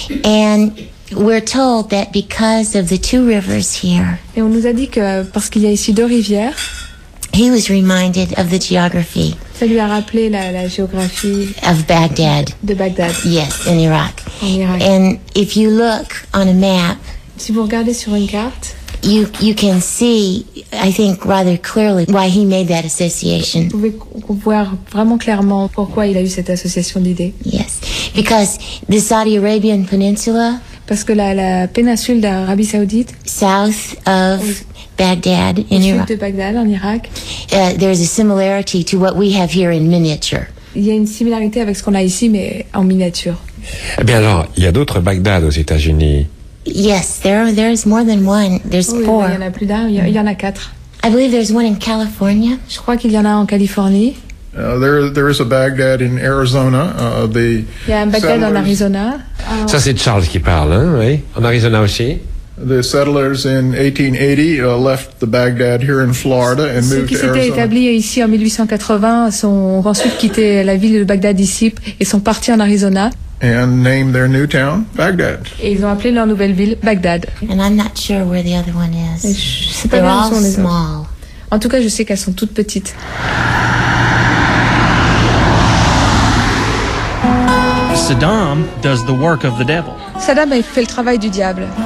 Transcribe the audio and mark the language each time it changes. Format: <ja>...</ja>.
<en>and we're told that because of the two rivers here,</en> <fr>et on nous a dit que parce qu'il y a ici deux rivières,</fr> <en>he was reminded of the geography,</en> <fr>ça lui a rappelé la géographie,</fr> <en>of Baghdad,</en> <fr>de Bagdad,</fr> <en>yes, in Iraq.</en> <fr>En Irak,</fr> <en>and if you look on a map,</en> <fr>si vous regardez sur une carte,</fr> <en>You can see, I think, rather clearly why he made that association.</en> <fr>Vous pouvez voir vraiment clairement pourquoi il a eu cette association d'idées.</fr> <en>Yes, because the Saudi Arabian Peninsula.</en> <fr>Parce que la péninsule d'Arabie Saoudite.</fr> <en>South of Baghdad in Iraq.</en> <fr>Au sud de Bagdad en Irak.</fr> <en>There is a similarity to what we have here in miniature.</en> <fr>Il y a une similarité avec ce qu'on a ici, mais en miniature. Eh bien alors, il y a d'autres Bagdad aux États-Unis.</fr> <en>Yes, there is more than one. There's</en> <fr>oui,</fr> <en>four.</en> <fr>Il y en a plus d'un. Il y en a quatre.</fr> <en>I believe there's one in California.</en> <fr>Je crois qu'il y en a en Californie.</fr> <en>There is a Baghdad in Arizona.</en> <fr>Il y a un Baghdad en Arizona. Ça c'est Charles qui parle, hein? Oui, en Arizona aussi.</fr> <en>The settlers in 1880 left the Baghdad here in Florida and moved to Arizona.</en> <fr>Ceux qui s'étaient établis ici en 1880 ont ensuite quitté la ville de Bagdad ici et sont partis en Arizona.</fr> <en>And name their new town Baghdad.</en> <fr>Et ils ont appelé leur nouvelle ville Bagdad.</fr> <en>And I'm not sure where the other one is. They're all small.</en> <fr>En tout cas, je sais qu'elles sont toutes petites.</fr> <en>Saddam does the work of the devil.</en> <fr>Saddam fait le travail du diable.</fr>